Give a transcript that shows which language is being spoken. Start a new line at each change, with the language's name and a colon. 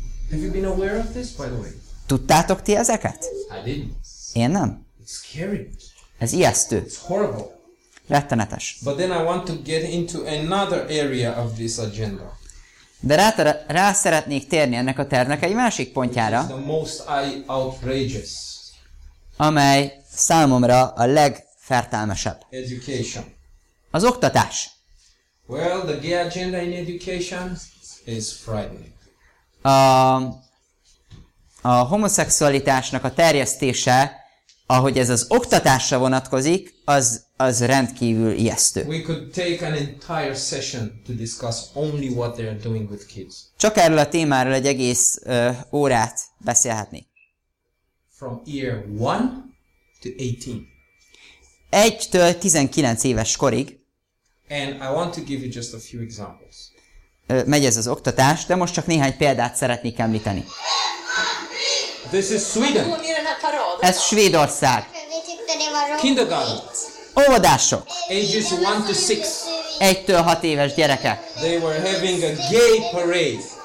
English: Have you been aware of this, by the way?
Hungarian: Tudtátok ti ezeket?
English: I didn't.
Hungarian: Én nem.
English: It's scary.
Hungarian: Ez ijesztő.
English: It's horrible.
Hungarian: Rettenetes.
English: But then I want to get into another area of this agenda.
Hungarian: De rá szeretnék térni ennek a tervnek egy másik pontjára.
English: The most outrageous.
Hungarian: Amely számomra a legfertelmesebb.
English: Education.
Hungarian: Az oktatás.
English: Well, the gay agenda in education is frightening.
Hungarian: A homoszexualitásnak a terjesztése, ahogy ez az oktatásra vonatkozik, az rendkívül ijesztő.
English: We could take an entire session to discuss only what they are doing with kids.
Hungarian: Csak erről a témáról egy egész órát beszélhetni.
English: From year 1 to 18.
Hungarian: 1-től 19 éves korig.
English: And I want to give you just a few examples.
Hungarian: Megy ez az oktatás, de most csak néhány példát szeretnék említeni.
English: This is Sweden.
Hungarian: Ez Svédország.
English: Kindergarten.
Hungarian: Óvodások.
English: Ages 1 to 6.
Hungarian: 1-től 6 éves gyerekek.
English: They were having a gay parade.